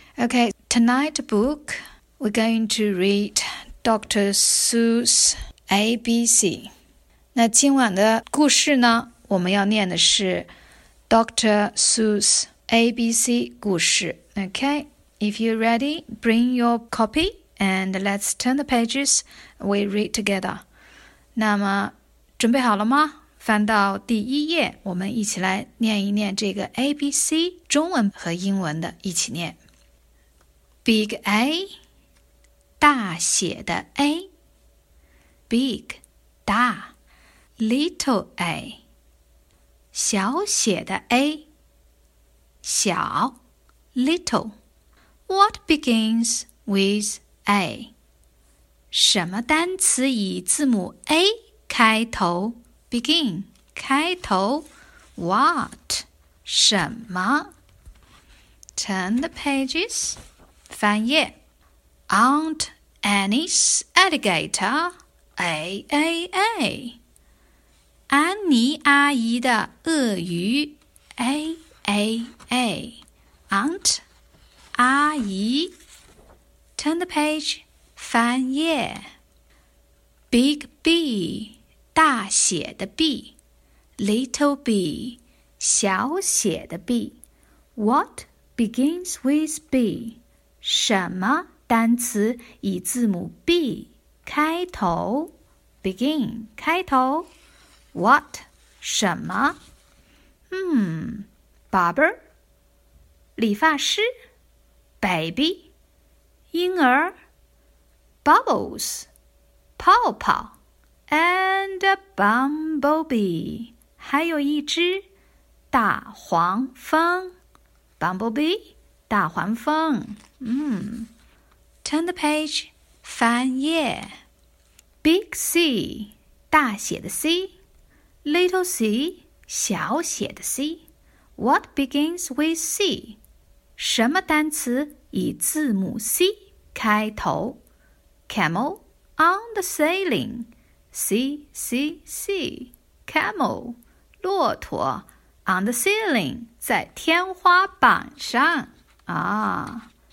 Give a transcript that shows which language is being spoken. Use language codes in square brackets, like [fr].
[en] Okay, tonight book, we're going to read Dr. Seuss ABC. [zh] 那今晚的故事呢，我们要念的是 Dr. [en] Seuss ABC [zh] 故事。 [en] Okay, if you're ready, bring your copy and let's turn the pages, we read together. [zh] 那么准备好了吗？翻到第一页，我们一起来念一念这个 ABC, 中文和英文的一起念。 [en] Big A, [zh] 大写的 [en] A. Big, [zh] 大. [en] Little A, [zh] 小写的 [en] A. [zh] 小, [en] little. What begins with A? [zh] 什么单词以字母 A 开头 ? [en] Begin, [zh] 开头 , [en] What, [zh] 什么 ? [en] Turn the pages. [zh] 翻页 [en] Aunt Annie's alligator, A-A-A. [zh] 安妮阿姨的鳄鱼 A-A-A. [en] Aunt, [zh] 阿姨 [en] Turn the page, [zh] 翻页 [en] Big B, [zh] 大写的 [en] B. Little B, [zh] 小写的 [en] B. What begins with B? [zh] 什么单词以字母 B 开头 ? [en] Begin, [zh] 开头。 [en] What, [zh] 什么 [en] Barber, [zh] 理发师。 [en] Baby, [zh] 婴儿。 [en] Bubbles, [zh] 泡泡。 [en] And a bumblebee, [zh] 还有一只大黄蜂。 [en] Bumblebee, [zh] 大黄蜂。 [en] Turn the page, [zh] 翻页 [en] Big C, [zh] 大写的 [en] C Little C, [zh] 小写的 [en] C What begins with C? [zh] 什么单词以字母 C 开头 [en] Camel, on the sailing C, C, C Camel, [zh] 骆驼 [en] On the ceiling, [zh] 在天花板上啊。